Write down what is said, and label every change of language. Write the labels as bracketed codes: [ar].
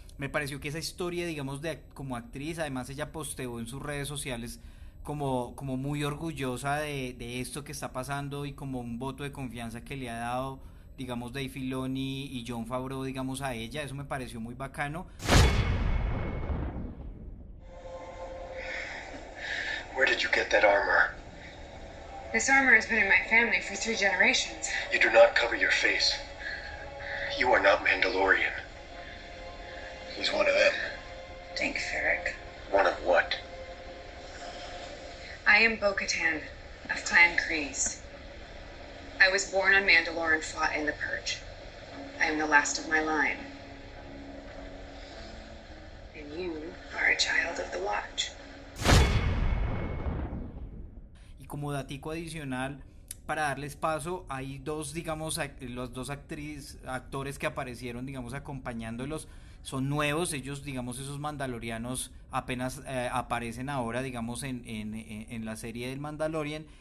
[es] Me pareció que esa historia, digamos, de como actriz, además ella posteó en sus redes sociales como muy orgullosa de esto que está pasando y como un voto de confianza que le ha dado, digamos, Dave Filoni y Jon Favreau, digamos, a ella. Eso me pareció muy bacano. [en] Where did you get that armor? This armor has been in my family for 3 generations. You do not cover your face. You are not Mandalorian. He's one of them. Dink Ferrick. One of what? I am Bo-Katan of Clan Kryze. I was born on Mandalore and fought in the Purge. I am the last of my line. And you are a child of the Watch. [es] Y como datico adicional, para darles paso, hay dos, digamos, los dos actores que aparecieron, digamos, acompañándolos. Son nuevos, ellos, digamos, esos mandalorianos apenas aparecen ahora, digamos, en la serie del Mandalorian.